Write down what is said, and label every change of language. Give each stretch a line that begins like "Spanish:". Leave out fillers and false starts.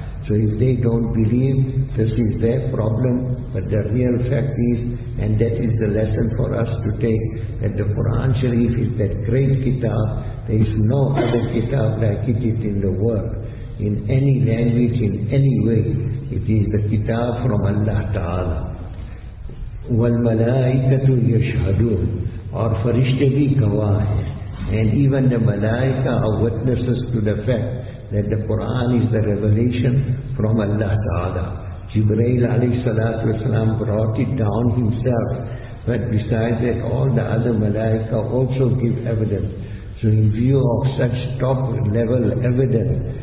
English: So if they don't believe, this is their problem, but the real fact is, and that is the lesson for us to take, that the Quran Sharif is that great kitab. There is no other kitab like it in the world, in any language, in any way. It is the kitab from Allah Ta'ala.
Arabic: وَالْمَلَائِكَةُ يَشْهَدُونَ,
Urdu: اور فرشتے بھی گواہ ہیں.
English: And even the malaika are witnesses to the fact that the Quran is the revelation from Allah Ta'ala. Jibreel alayhi salatu wasalam brought it down himself, but besides that all the other malaika also give evidence. So in view of such top level evidence,